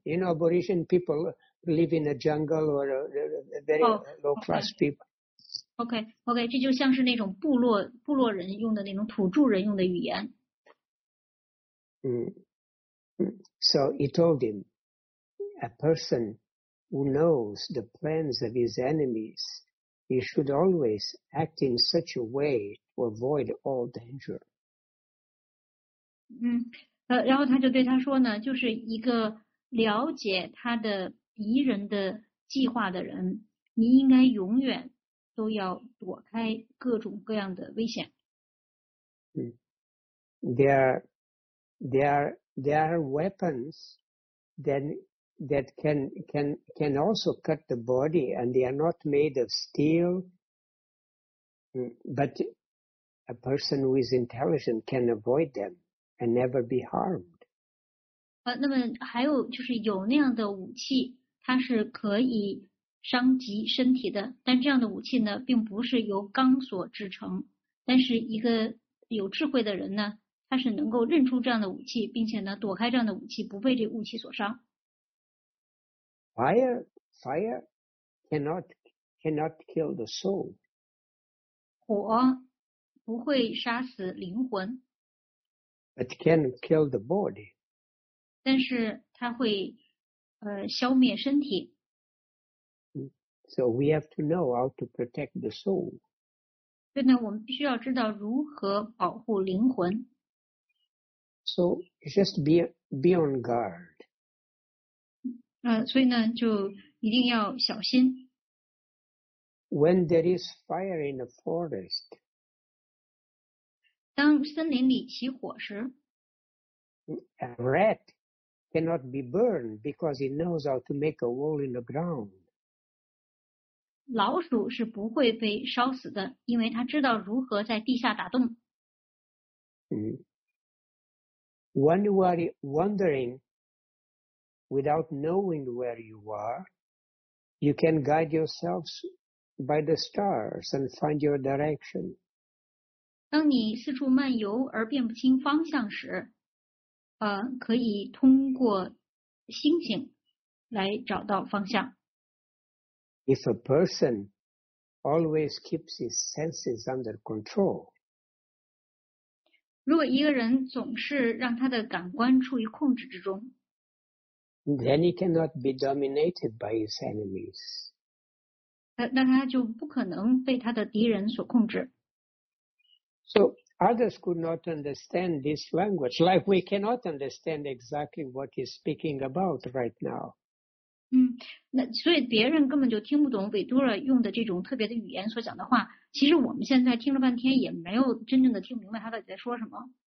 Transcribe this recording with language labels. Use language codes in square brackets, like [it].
[en] You know, aboriginal people live in a jungle or a very low class people. Okay. [zh] 这就像是那种部落人用的那种土著人用的语言。 [en] So he told him. A person who knows the plans of his enemies, he should always act in such a way to avoid all danger. [zh] 然后他就对他说呢，就是一个了解他的敌人的计划的人，你应该永远都要躲开各种各样的危险。 [en] There are weapons that can also cut the body, and they are not made of steel. But a person who is intelligent can avoid them and never be harmed. [zh] 那么还有就是有那样的武器，它是可以伤及身体的，但这样的武器呢，并不是由钢所制成。但是一个有智慧的人呢，他是能够认出这样的武器，并且呢，躲开这样的武器，不被这武器所伤。 [en] Fire cannot kill the soul. [zh] 火不会杀死灵魂。 [en] But can kill the body. [zh] 但是它会消灭身体。 [en] So we have to know how to protect the soul. [zh] 所以呢，我们必须要知道如何保护灵魂。 [en] So just be on guard. [zh] 所以呢，就一定要小心。 [en] When there is fire in a forest, [zh] 当森林里起火时， [en] a rat cannot be burned because it knows how to make a hole in the ground. [zh] 老鼠是不会被烧死的，因为它知道如何在地下打洞。 [en] When you are wandering without knowing where you are, you can guide yourselves by the stars and find your direction. [zh] 当你四处漫游而辨不清方向时，可以通过星星来找到方向。 [en] If a person always keeps his senses under control, [zh] 如果一个人总是让他的感官处于控制之中， [en] then he cannot be dominated by his enemies. [zh] 那他就不可能被他的敌人所控制。 [en] So others could not understand this language, like we cannot understand exactly what he's speaking about right now. [zh] 那所以别人根本就听不懂维多尔用的这种特别的语言所讲的话，其实我们现在听了半天也没有真正的听明白他到底在说什么。